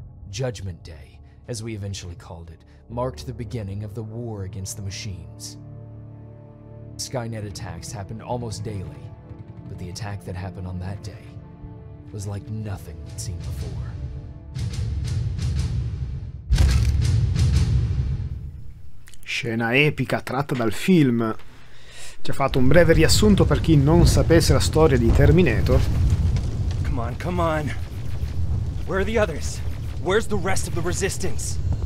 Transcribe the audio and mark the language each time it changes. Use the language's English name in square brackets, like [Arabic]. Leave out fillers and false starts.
[English] Judgment Day, as we eventually called it, marked the beginning of the war against the machines. Skynet attacks happened almost daily, but the attack that happened on that day was like nothing we'd seen before. [Italian] Scena epica tratta dal film. Ci ha fatto un breve riassunto per chi non sapesse la storia di Terminator. [English] Come on, come on. Where are the others? Where's the rest of the resistance?